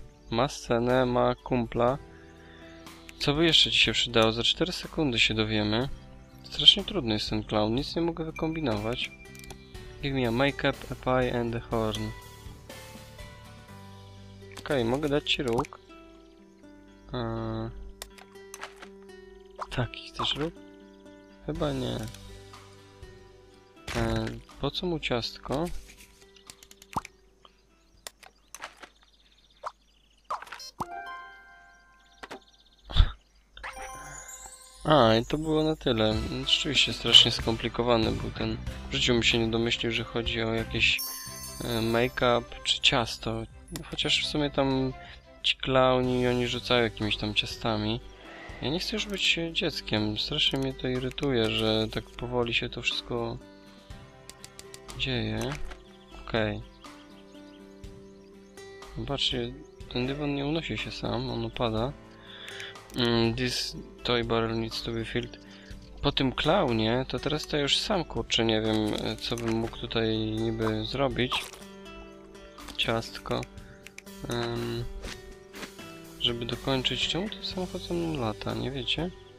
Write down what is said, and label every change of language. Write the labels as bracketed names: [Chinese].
[Polish] Ma scenę, ma kumpla. Co by jeszcze ci się przydało? Za 4 sekundy się dowiemy. Strasznie trudny jest ten clown, nic nie mogę wykombinować. [English] Give me a makeup, a pie and a horn. [Polish] Okej, mogę dać ci róg. Taki chcesz róg? Chyba nie. Po co mu ciastko? A, i to było na tyle. Rzeczywiście strasznie skomplikowany był ten. W życiu bym się nie domyślił, że chodzi o jakieś make-up czy ciasto. Chociaż w sumie tam ci klauni, oni rzucają jakimiś tam ciastami. Ja nie chcę już być dzieckiem. Strasznie mnie to irytuje, że tak powoli się to wszystko dzieje. Okej. Okay. Zobaczcie, ten dywan nie unosi się sam, on opada. [English] This toy barrel needs to be filled. [Polish] Po tym klaunie, to teraz to już sam, kurczę, nie wiem, co bym mógł tutaj niby zrobić. Ciastko. Żeby dokończyć... Czemu ten samochód ten lata, nie wiecie?